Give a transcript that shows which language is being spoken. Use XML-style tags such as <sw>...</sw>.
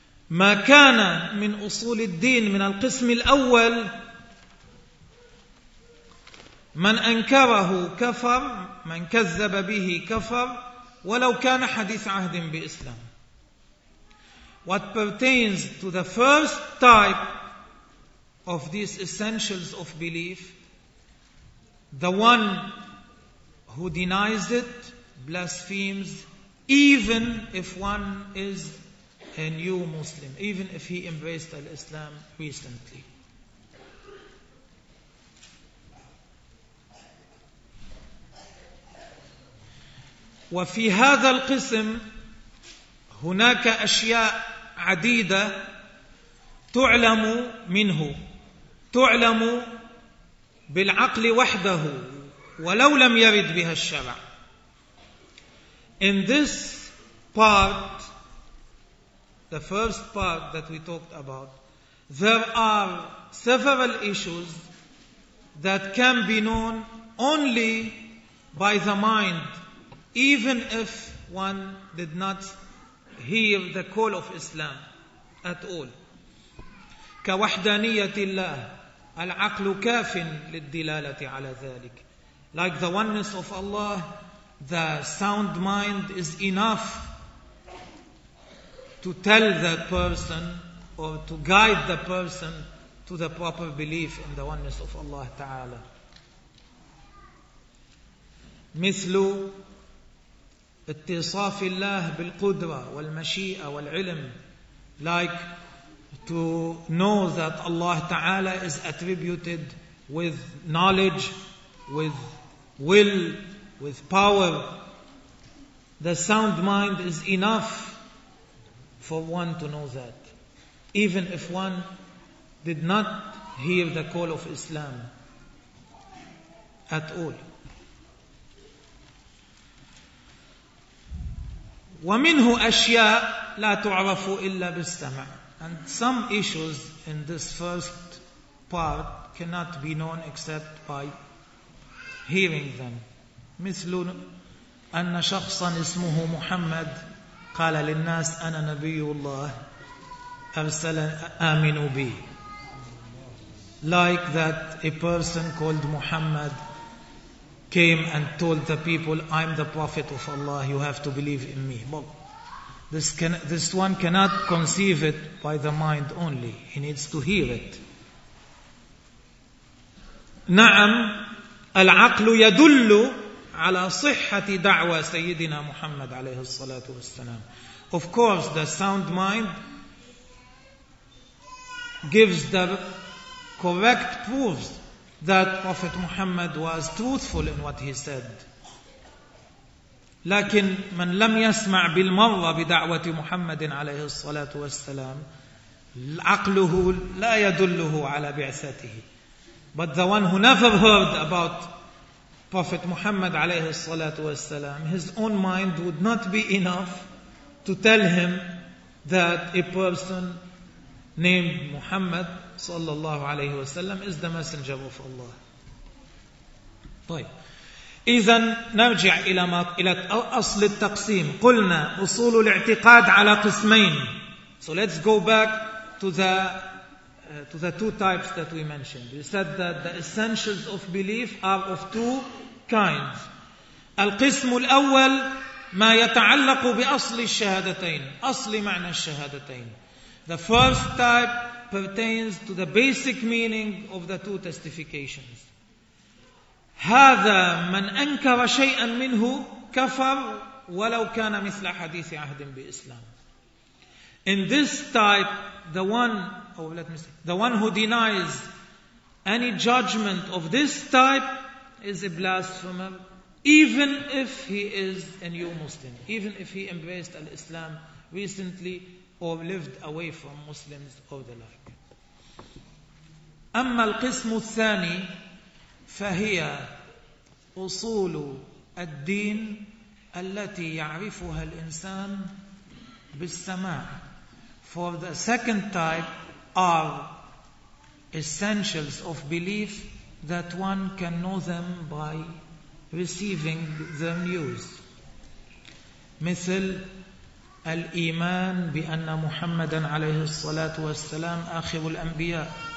<ar>ما كان من أصول الدين من القسم الأول من أنكره كفر، من كذب به كفر ولو كان حديث عهد بإسلام.</ar> <en>What pertains to the first type of these essentials of belief, the one who denies it blasphemes, even if one is a new Muslim, even if he embraced Islam recently.</en> <ar>وفي هذا القسم هناك أشياء عديدة تعلم منه، تعلم بالعقل وحده ولو لم يرد بها الشرع.</ar> <en>In this part, the first part that we talked about, there are several issues that can be known only by the mind, even if one did not hear the call of Islam at all.</en> <ar>كوحدانية الله العقل كاف للدلالة على ذلك.</ar> <en>Like the oneness of Allah, the sound mind is enough to tell the person or to guide the person to the proper belief in the oneness of Allah تعالى.</en> <ar>مثل اتصاف الله بالقدرة والمشيئة والعلم.</ar> <en>Like to know that Allah Ta'ala is attributed with knowledge, with will, with power. The sound mind is enough for one to know that, even if one did not hear the call of Islam at all.</en> <ar>ومنه أشياء لا تعرف إلا بالسمع.</ar> <en>And some issues in this first part cannot be known except by hearing them.</en> <ar>مثل أن شخصا اسمه محمد قال للناس أنا نبي الله أرسل آمنوا بي.</ar> <en>Like that a person called Muhammad came and told the people, I'm the prophet of Allah, you have to believe in me. But this one cannot conceive it by the mind only. He needs to hear it.</en> <ar>نعم العقل يدل على صحة دعوة سيدنا محمد عليه الصلاة والسلام.</ar> <en>Of course, the sound mind gives the correct proofs that Prophet Muhammad was truthful in what he said.</en> <ar>لكن من لم يسمع بالمرة بدعوة محمد عليه الصلاة والسلام عقله لا يدله على بعثته.</ar> <en>But the one who never heard about Prophet Muhammad</en> <ar>عليه الصلاة والسلام,</ar> <en>his own mind would not be enough to tell him that a person named Muhammad</en> <ar>صلى الله عليه وسلم</ar> <en>is the messenger of Allah.</en> <ar>طيب إذن نرجع إلى ما إلى أصل التقسيم. قلنا أصول الاعتقاد على قسمين.</ar> <en>So let's go back to the two types that we mentioned. We said that the essentials of belief are of two kinds.</en> <ar>القسم الأول ما يتعلق بأصل الشهادتين. أصل معنى الشهادتين.</ar> <en>The first type pertains to the basic meaning of the two testifications.</en> <ar>هذا من أنكر شيئا منه كفر ولو كان مثل حديث عهد بإسلام.</ar> <en>In this type, the one who denies any judgment of this type is a blasphemer, even if he is a new Muslim, even if he embraced Islam recently or lived away from Muslims or the like.</en> <ar>أما القسم الثاني فهي أصول الدين التي يعرفها الإنسان بالسماع.</ar> <en>For the second type are essentials of belief that one can know them by receiving the news.</en> <ar>مثل الإيمان بأن محمدا عليه الصلاة والسلام آخر الأنبياء.</ar>